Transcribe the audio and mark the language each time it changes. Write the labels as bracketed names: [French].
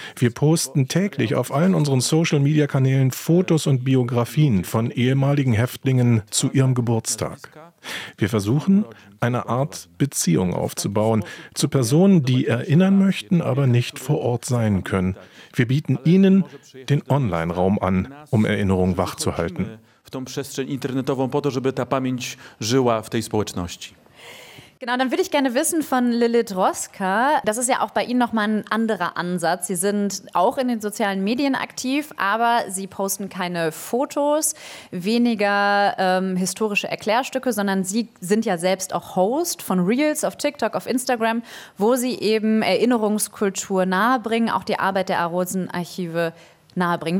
[German] Wir posten täglich auf allen unseren Social-Media-Kanälen Fotos und Biografien von ehemaligen Häftlingen zu ihrem Geburtstag. Wir versuchen, eine Art Beziehung aufzubauen zu Personen, die erinnern möchten, aber nicht vor Ort sein können. Wir bieten ihnen den Online-Raum an, um Erinnerungen wachzuhalten. [Polish] W tą przestrzeń internetową po to, żeby ta pamięć żyła w tej społeczności. [German] Genau, dann würde ich gerne wissen von Lilith Roska, das ist ja auch bei Ihnen nochmal ein anderer Ansatz. Sie sind auch in den sozialen Medien aktiv, aber Sie posten keine Fotos, weniger historische Erklärstücke, sondern Sie sind ja selbst auch Host von Reels auf TikTok, auf Instagram, wo Sie eben Erinnerungskultur nahebringen, auch die Arbeit der Arosen-Archive nahebringen.